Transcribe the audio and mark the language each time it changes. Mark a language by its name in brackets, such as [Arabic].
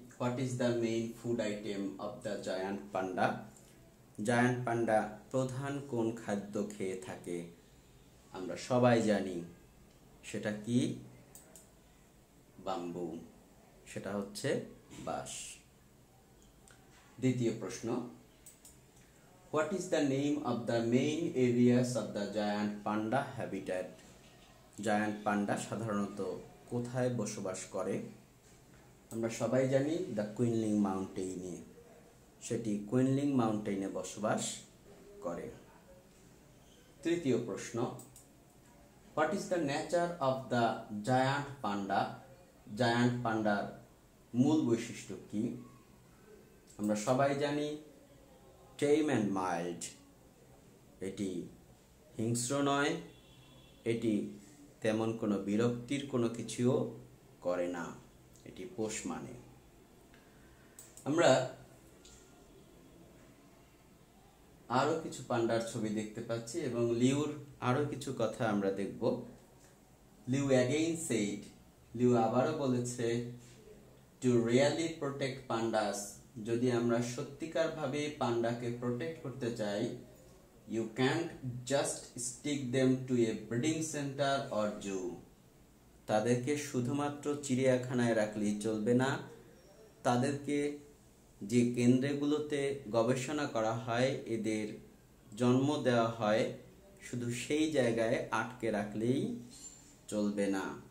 [English] what is the main food item of the [Bangla] giant panda, giant পান্ডা প্রধান কোন খাদ্য খেয়ে থাকে। আমরা সবাই জানি সেটা কি, বাম্বু, সেটা হচ্ছে বাঁশ। দ্বিতীয় প্রশ্ন, [English] What is the name of the main areas of the giant panda habitat? [Bangla] Giant panda সাধারণত কোথায় বসবাস করে? আমরা সবাই জানি the Kunlun Mountain এ। সেটি Kunlun Mountain এ বসবাস করে। তৃতীয় প্রশ্ন। [English] What is the nature of the giant panda? [Bangla] Giant panda মূল বৈশিষ্ট্য কি? আমরা সবাই জানি [English] Tame and mild. [Bangla] এটি হিংস্র নয়, এটি তেমন কোনো বিরক্তির কোনো কিছুও করে না, এটি পোষ মানে। আমরা আরো কিছু পান্ডার ছবি দেখতে পাচ্ছি এবং লিউর আরো কিছু কথা আমরা দেখব। [English] Liu again said, [Bangla] লিউ আবারও বলেছে, [English] to really protect pandas. [Bangla] যদি আমরা সত্যিকার ভাবে পান্ডাকে প্রোটেক্ট করতে চাই, [English] You can't just stick them to a breeding centre or zoo. [Bangla] তাদেরকে শুধুমাত্র চিড়িয়াখানায় রাখলেই চলবে না, তাদেরকে যে কেন্দ্রগুলোতে গবেষণা করা হয়, এদের জন্ম দেওয়া হয়, শুধু সেই জায়গায় আটকে রাখলেই চলবে না।